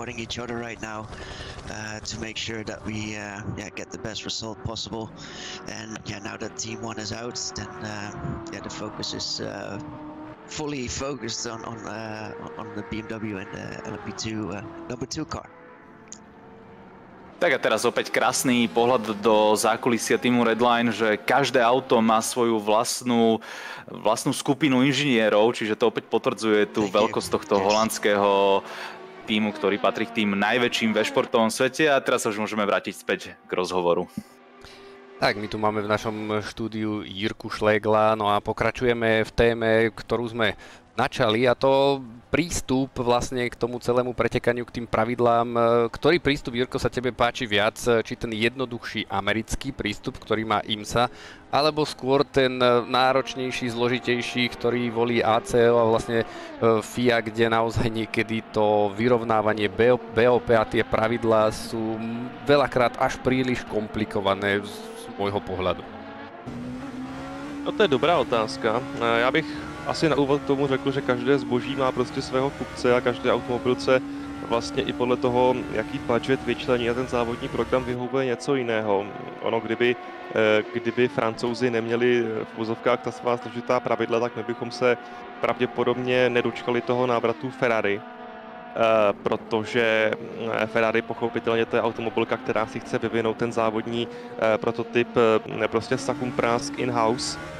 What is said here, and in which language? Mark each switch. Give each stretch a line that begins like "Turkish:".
English: To make sure that we yeah, get the best result possible, and yeah, now that team one is out, then yeah, the focus is fully focused on the BMW and the LMP2 number two car.
Slovak: Tak a teraz opäť krásny pohľad do zákulisia týmu Redline, že každé auto má svoju vlastnú skupinu inžinierov, čiže to opäť potvrdzuje tú veľkosť tohto holandského týmu, ktorý patrí k tým najväčším ve športovom svete. A teraz sa už môžeme vrátiť späť k rozhovoru. Tak, my tu máme v našom štúdiu Jirku Šlegla, no a pokračujeme v téme, ktorú sme načali, a to prístup vlastne k tomu celému pretekaniu, k tým pravidlám. Ktorý prístup, Jirko, sa tebe páči viac? Či ten jednoduchší americký prístup, ktorý má IMSA, alebo skôr ten náročnejší, zložitejší, ktorý volí ACL a vlastne FIA, kde naozaj niekedy to vyrovnávanie BOP a tie pravidlá sú veľakrát až príliš komplikované z môjho pohľadu? No, to je dobrá otázka.
Czech: Ja bych asi na úvod k tomu řekl, že každé zboží má prostě svého kupce a každé automobilce vlastně i podle toho, jaký budget vyčlení a ten závodní program vyhovuje něco jiného. Ono, kdyby Francouzi neměli v vozovkách ta svá složitá pravidla, tak my bychom se pravděpodobně nedočkali toho návratu Ferrari, protože Ferrari pochopitelně to je automobilka, která si chce vyvinout ten závodní prototyp prostě sakum prásk in-house.